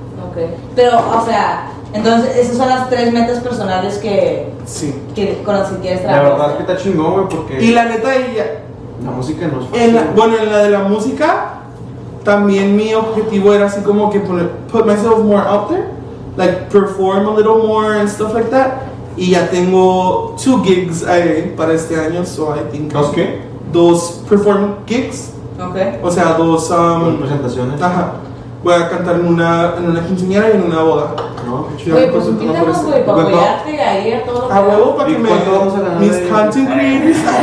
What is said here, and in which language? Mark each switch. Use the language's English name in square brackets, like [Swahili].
[Spanish] Ok. Pero, o sea... Entonces, esas son las tres metas personales que... Sí. Que con las que quieres trabajar. La verdad es que está chingón, güey, porque... Y la neta, ella... La música no es fácil. En la de la música, también mi objetivo era así como que poner... [English] Put myself more out there. Like, perform a little more and stuff like that. [Spanish] Y ya tengo 2 gigs para este año, [English] so I think... [Spanish] ¿Dos qué? [English] 2 perform gigs. Okay. [Spanish] O sea, 2... presentaciones. Ajá. Voy a cantar en una quinceañera y en una boda. Oye, pues invítanos, güey, para apoyarte ahí a todo lo que... A huevo, para que me... Mis canting greens.